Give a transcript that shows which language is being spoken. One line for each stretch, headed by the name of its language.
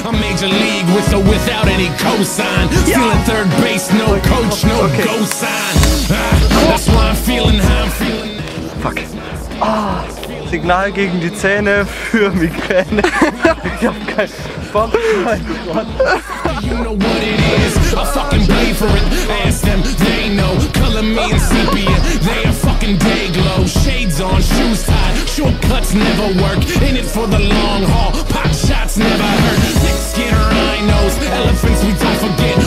English: A major league with or without any cosign. Still in third base, no coach, no cosign. That's why I'm feeling how I'm feeling. Fuck.
German: Ah, oh, Signal gegen die Zähne für Migräne. Ich hab kein Bock.
English: You know what it is, I'll fucking pay for it. Ask them, they know. Color me in sepia, they are fucking day glow. Shades on, shoes tied, shortcuts never work. In it for the long haul, pot shots never hurt. Thick skin rhinos, elephants we don't forget.